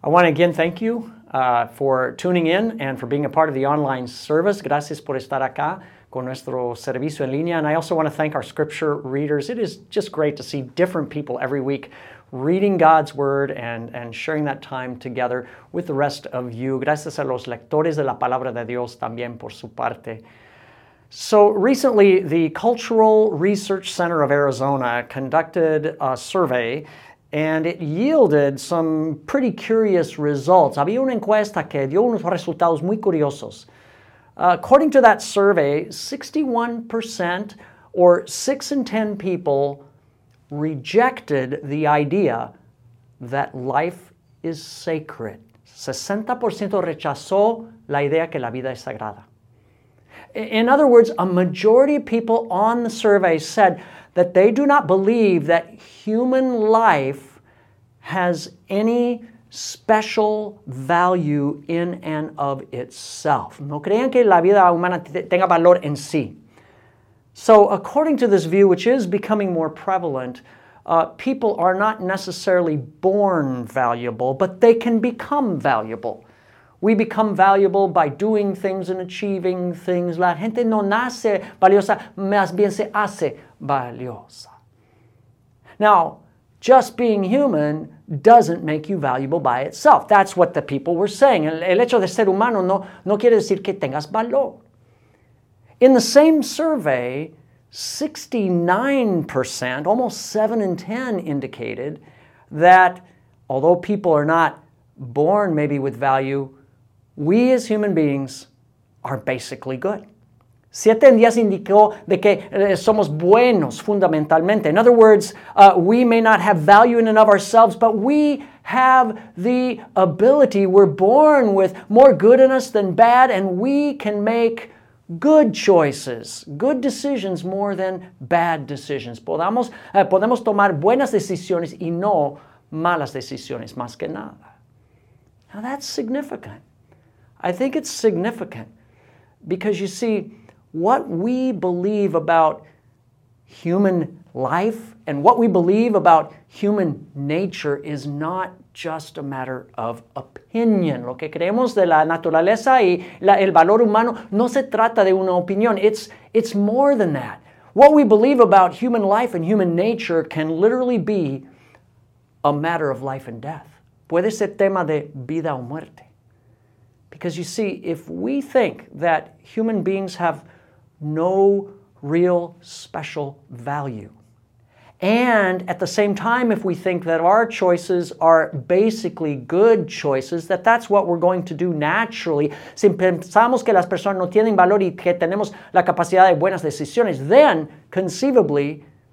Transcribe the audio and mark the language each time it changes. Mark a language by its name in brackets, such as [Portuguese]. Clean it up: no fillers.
[English] I want to again thank you for tuning in and for being a part of the online service. [Spanish] Gracias por estar acá con nuestro servicio en línea. [English] And I also want to thank our scripture readers. It is just great to see different people every week reading God's Word and sharing that time together with the rest of you. [Spanish] Gracias a los lectores de la Palabra de Dios también por su parte. [English] So recently, the Cultural Research Center of Arizona conducted a survey, and it yielded some pretty curious results. [Spanish] Había una encuesta que dio unos resultados muy curiosos. [English] According to that survey, 61%, or 6 in 10 people, rejected the idea that life is sacred. [Spanish] 60% rechazó la idea que la vida es sagrada. [English] In other words, a majority of people on the survey said that they do not believe that human life has any special value in and of itself. [Spanish] No creen que la vida humana tenga valor en sí. [English] So according to this view, which is becoming more prevalent, people are not necessarily born valuable, but they can become valuable. We become valuable by doing things and achieving things. [Spanish] La gente no nace valiosa, más bien se hace valiosa. [English] Now, just being human doesn't make you valuable by itself. That's what the people were saying. [Spanish] El hecho de ser humano no quiere decir que tengas valor. [English] In the same survey, 69%, almost 7 in 10, indicated that although people are not born maybe with value, we as human beings are basically good. 7 in 10 [Spanish] indicó de que somos buenos fundamentalmente. [English] In other words, we may not have value in and of ourselves, but we have the ability, we're born with more good in us than bad, and we can make good choices, good decisions more than bad decisions. [Spanish] Podemos tomar buenas decisiones y no malas decisiones, más que nada. [English] Now that's significant. I think it's significant because, you see, what we believe about human life and what we believe about human nature is not just a matter of opinion. [Spanish] Lo que creemos de la naturaleza y el valor humano no se trata de una opinión. [English] It's more than that. What we believe about human life and human nature can literally be a matter of life and death. [Spanish] Puede ser tema de vida o muerte. [English] Because you see, if we think that human beings have no real special value, and at the same time, if we think that our choices are basically good choices, that that's what we're going to do naturally, [Spanish] si pensamos que las personas no tienen valor y que tenemos la capacidad de buenas decisiones, [English] then conceivably,